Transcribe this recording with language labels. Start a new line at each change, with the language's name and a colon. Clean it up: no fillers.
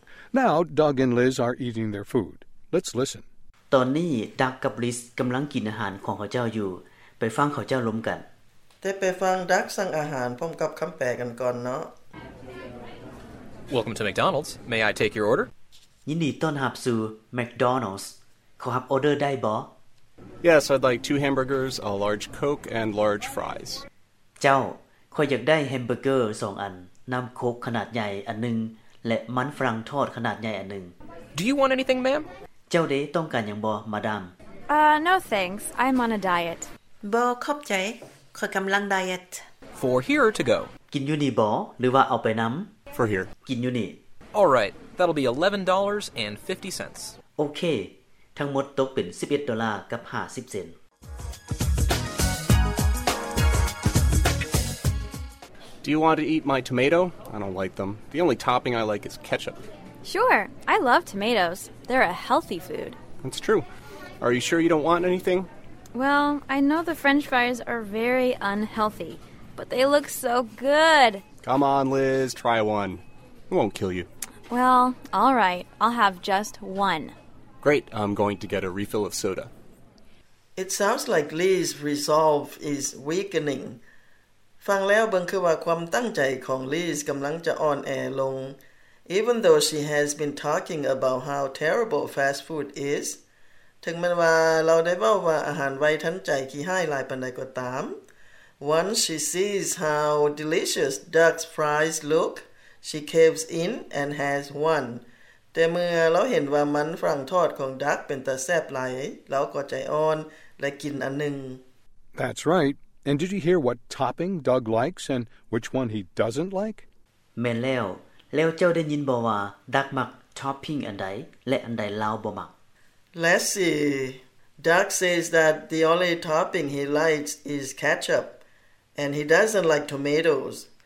English: Now, Doug and Liz are eating their food. Let's listen.
Northeastern Thai: ตอนนี้ Doug กับ Liz กําลังกินอาหารของเขาเจ้าอยู่ไปฟังเขาเจ้าล้มกัน แต่ไปฟัง Doug สั่งอาหารพร้อมกับคําแปลกันก่อนเนาะ
English: Welcome to McDonald's. May I take your order?
Northeastern Thai: ยินดีต้อนรับสู่ McDonald's. ขอรับออเดอร์ได้บ่
English: Yes, I'd like 2 hamburgers, a large Coke, and large fries.
Northeastern Thai: เจ้าข่อยอยากได้แฮมเบอร์เกอร์2อันน้ำโค้กขนาดใหญ่อันนึงและมันฝรั่งทอดขนาดใหญ่อันนึง
English: Do you want anything, ma'am?
Northeastern Thai: เจ้าเด้ต้องการหยังบ่มาดาม
English: No thanks. I'm on a diet.
Northeastern Thai: บ่ขอบใจข่อยกําลังไดเอท
English: For here or to go?
Northeastern Thai: กินอยู่นี่บ่หรือว่าเอาไปนำ
English: For here.
Northeastern Thai: กินอยู่นี่
English: All right. That'll be $11.50. Okay.
Northeastern Thai: ทั้งหมดตกเป็น11ดอลลาร์กับ50เซ็นต์
English: Do you want to eat my tomato? I don't like them. The only topping I like is ketchup. Sure. I love tomatoes. They're a healthy food. That's true. Are you sure you don't want anything? Well, I know the french fries are very unhealthy, but they look so good. Come on, Liz, try one. It won't kill you. Well, all right. I'll have just one. Great. I'm going to get a refill of soda. It sounds like Liz's resolve is weakening.
Northeastern Thai: ฟังแล้วบังคือว่าความตั้งใจของ Liz กําลังจะอ่อนแอลง
English: Even though she has been talking about how terrible fast food is,
Northeastern Thai: ถึงแม้ว่าเราได้เว้าว่าอาหารไวทันใจขี้ห้ายหลายปานใดก็ตาม
English: Once she sees how delicious Doug's fries look, she caves in and has one.
Northeastern Thai: แต่เมื่อเราเห็นว่ามันฝรั่งทอดของ Doug เป็นตาแซ่บหลายเราก็ใจอ่อนและกินอันหนึ่ง
English: That's right. And did you hear what topping Doug likes and which one he doesn't like?
Northeastern Thai: แม่นแล้วแล้วเจ้าได้ยินบ่ว่า Doug มัก topping อันใดและอันใดเราบ่มัก
English: Let's see. Doug says that the only topping he likes is ketchup, and he doesn't like tomatoes.